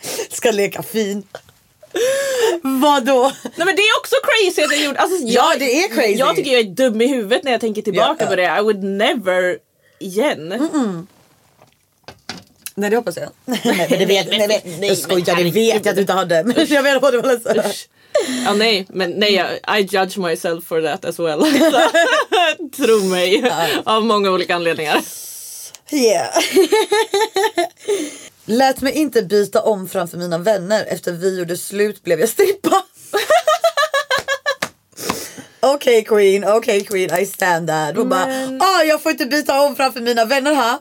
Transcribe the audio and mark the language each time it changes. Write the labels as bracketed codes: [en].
[sv] Ska leka fin. Vadå? Nej, men det är också crazy att jag gjorde. Alltså, ja, det är crazy. Jag tycker jag är dum i huvudet när jag tänker tillbaka på det. [en] I would never [sv] igen. Nej, det hoppas jag. Nej, jag skojar, det vet jag att du inte hade. Men jag vet vad du vill säga. Ja, nej, men nej, [en] I judge myself for that as well. [sv] Tro mig. Ja. Av många olika anledningar. [en] Yeah. [sv] Lät mig inte byta om framför mina vänner. Efter vi gjorde slut blev jag strippa. Okej, queen, [en] I stand that. [sv] Och bara, jag får inte byta om framför mina vänner här.